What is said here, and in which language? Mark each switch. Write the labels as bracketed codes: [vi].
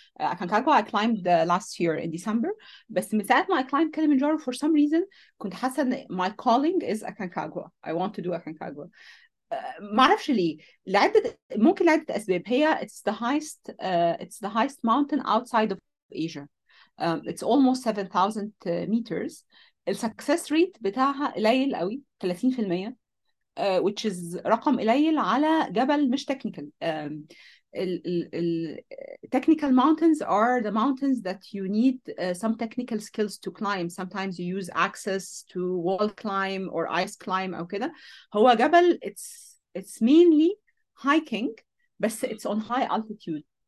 [en] Aconcagua I climbed last year in December. [ar] بس من ساعة ما [en] I climbed Kilimanjaro, for some reason [ar] كنت حاسة إن [en] my calling is Aconcagua. I want to do Aconcagua. [ar] ما اعرفش ليه، لعدة ممكن لعدة اسباب. هي [en] it's the highest mountain outside of Asia. It's almost 7000 meters. [ar] السكسس ريت بتاعها قليل قوي، 30%، [en] which is [ar] رقم قليل على جبل مش تكنيكال. [en] ال technical mountains are the mountains that you need some technical skills to climb. Sometimes you use access to wall climb or ice climb [ar] أو كده. هو جبل [en] it's mainly hiking, [ar] بس [en] it's on high altitude.